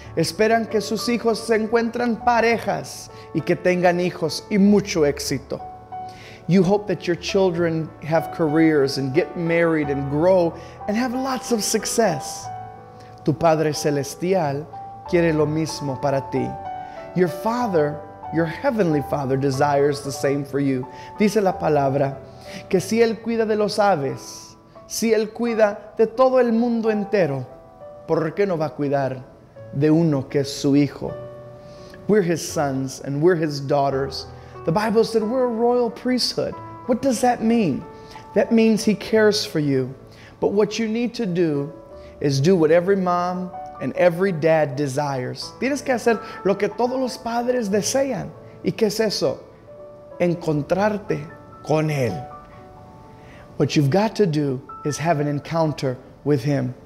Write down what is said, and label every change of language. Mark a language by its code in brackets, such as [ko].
[es] Esperan que sus hijos se encuentren parejas y que tengan hijos y mucho éxito. [en] You hope that your children have careers and get married and grow and have lots of success. [es] Tu Padre Celestial quiere lo mismo para ti. [en] Your Father, your Heavenly Father, desires the same for you. [es] Dice la palabra que si Él cuida de los aves, si Él cuida de todo el mundo entero, ¿por qué no va a cuidar de uno que es su hijo? [en] We're his sons and we're his daughters. The Bible said we're a royal priesthood. What does that mean? That means he cares for you. But what you need to do is do what every mom and every dad desires. [es] Tienes que hacer lo que todos los padres desean. ¿Y qué es eso? Encontrarte con él. [en] What you've got to do is have an encounter with him.